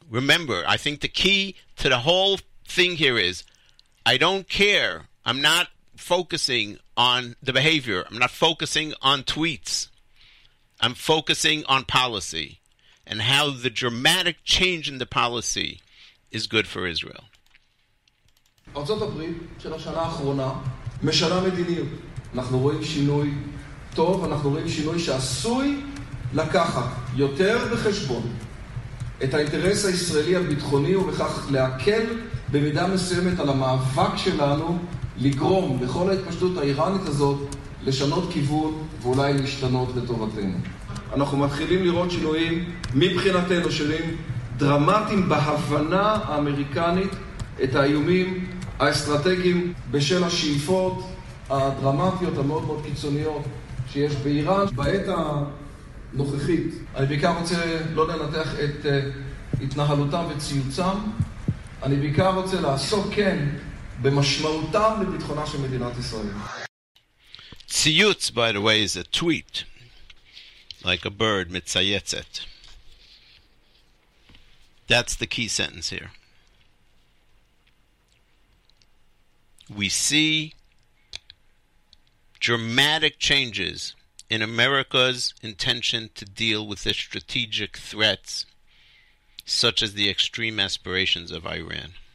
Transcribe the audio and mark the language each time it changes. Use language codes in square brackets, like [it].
[en] Remember, I think the key to the whole thing here is, I don't care. I'm not focusing on the behavior. I'm not focusing on tweets. I'm focusing on policy and how the dramatic change in the policy is good for Israel. [he] ארצות הברית של השנה האחרונה משנה מדיניות. אנחנו רואים שינוי טוב, אנחנו רואים שינוי שעשוי לקחת יותר בחשבון את האינטרס הישראלי הביטחוני ובכך להקל במידה מסוימת על המאבק שלנו לגרום בכל ההתפשטות האיראנית הזאת לשנות כיוון ואולי להשתנות לטובתנו. אנחנו מתחילים לראות שינויים מבחינתנו, שינויים דרמטיים בהבנה האמריקנית את האיומים האסטרטגיים בשל השאיפות הדרמטיות המאוד מאוד קיצוניות שיש באיראן. בעת הנוכחית, אני בעיקר רוצה לא לנתח את התנהלותם וציוצם, אני בעיקר רוצה לעסוק כן במשמעותם לביטחונה של מדינת ישראל. [en] Ciyutz, by the way, is a tweet, like a bird mitzayetzet. That's the key sentence here. We see dramatic changes in America's intention to deal with the strategic threats, such as the extreme aspirations of Iran.